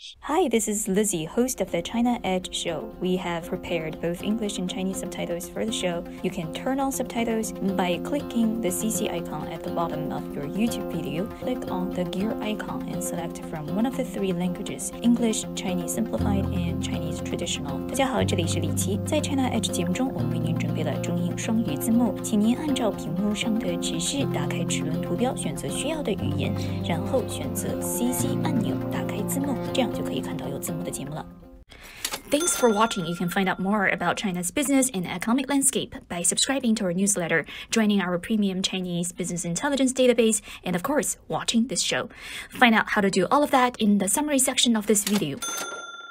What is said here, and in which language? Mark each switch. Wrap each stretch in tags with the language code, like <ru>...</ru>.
<en>Hi, this is Lizzi, host of the China Edge show. We have prepared both English and Chinese subtitles for the show. You can turn on subtitles by clicking the CC icon at the bottom of your YouTube video. Click on the gear icon and select from one of the three languages, English, Chinese Simplified, and Chinese Traditional.</en> <zh>大家好，这里是李琦。在 China Edge 节目中，我们为您准备了中英双语字幕，请您按照屏幕上的指示打开齿轮图标，选择需要的语言，然后选择 CC 按钮，打开字幕，这样就可以看到有字幕的节目了。</zh> <en>Thanks for watching. You can find out more about China's business and economic landscape by subscribing to our newsletter, joining our premium Chinese business intelligence database, and of course, watching this show. Find out how to do all of that in the summary section of this video.</en>